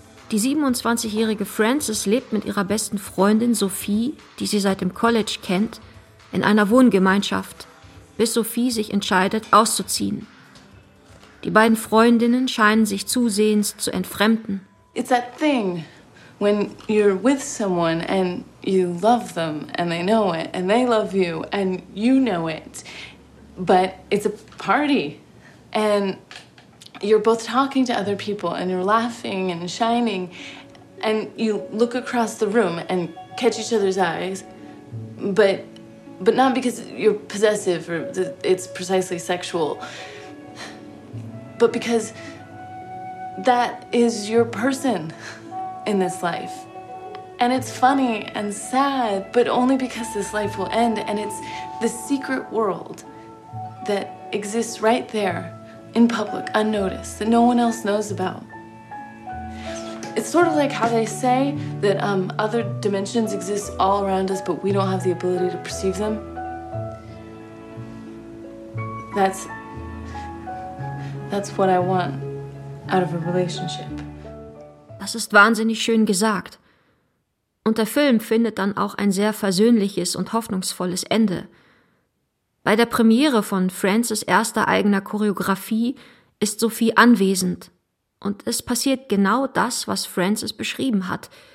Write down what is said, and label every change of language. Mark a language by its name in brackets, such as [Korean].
[German] Die 27-jährige Frances lebt mit ihrer besten Freundin Sophie, die sie seit dem College kennt, in einer Wohngemeinschaft, bis Sophie sich entscheidet, auszuziehen. Die beiden Freundinnen scheinen sich zusehends zu entfremden. [English] It's that thing, when you're with someone and you love them and they know it and they love you and you know it, but it's a party and you're both talking to other people and you're laughing and shining and you look across the room and catch each other's eyes, but not because you're possessive or it's precisely sexual, but because that is your person in this life. And it's funny and sad, but only because this life will end, and it's the secret world that exists right there in public, unnoticed, that no one else knows about. It's sort of like how they say that other dimensions exist all around us, but we don't have the ability to perceive them. That's what I want out of a relationship. [German] Das ist wahnsinnig schön gesagt. Und der Film findet dann auch ein sehr versöhnliches und hoffnungsvolles Ende. Bei der Premiere von Frances' erster eigener Choreografie ist Sophie anwesend. Und es passiert genau das, was Frances beschrieben hat.